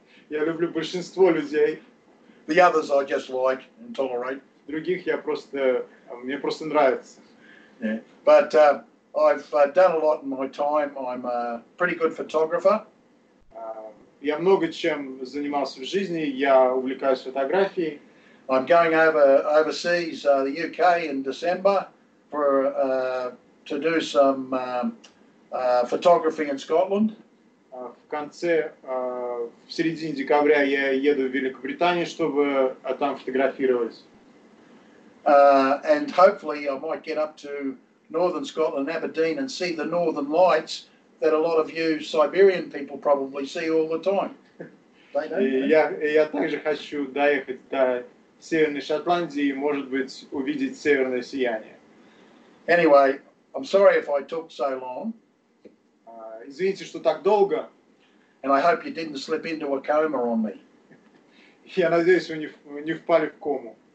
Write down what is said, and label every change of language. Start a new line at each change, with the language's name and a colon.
Russian: Я люблю большинство людей.
English: The others I just like and tolerate.
Russian: Других я просто, мне просто нравится.
English: Yeah. But, I've done a lot in my time. I'm a pretty good photographer.
Russian: Я много чем занимался в жизни. Я увлекаюсь фотографией.
English: I'm going overseas, the UK, in December, for to do some photography in Scotland.
Russian: В середине декабря я еду в Великобританию, чтобы там фотографировать.
English: And hopefully, I might get up to Northern Scotland, Aberdeen, and see the northern lights that a lot of you Siberian people probably see all the time.
Russian: Я также хочу доехать до Северной Шотландии и, может быть, увидеть северное сияние.
English: Anyway, I'm sorry if I took so long.
Russian: Извините, что так долго.
English: And I hope you didn't slip into a coma on me.
Russian: Я надеюсь, вы не впали в кому.